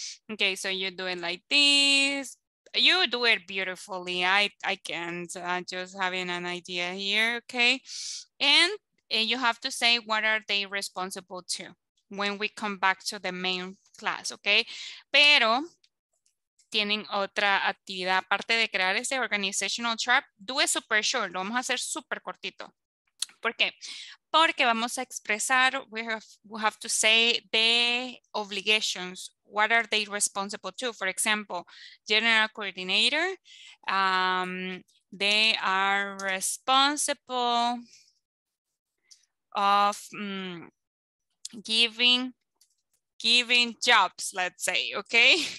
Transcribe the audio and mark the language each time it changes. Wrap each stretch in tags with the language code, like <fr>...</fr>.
<en>Okay, so you do it like this. You do it beautifully. I can't, I'm just having an idea here, okay? And you have to say what are they responsible to when we come back to the main class, okay?</en> <es>Pero tienen otra actividad, aparte de crear ese organizational chart,</es> <en>do it super short,</en> <es>lo vamos a hacer super cortito. ¿Por qué? Porque vamos a expresar,</es> <en>we have to say the obligations. What are they responsible to? For example, general coordinator, they are responsible of giving jobs, let's say, okay?</en>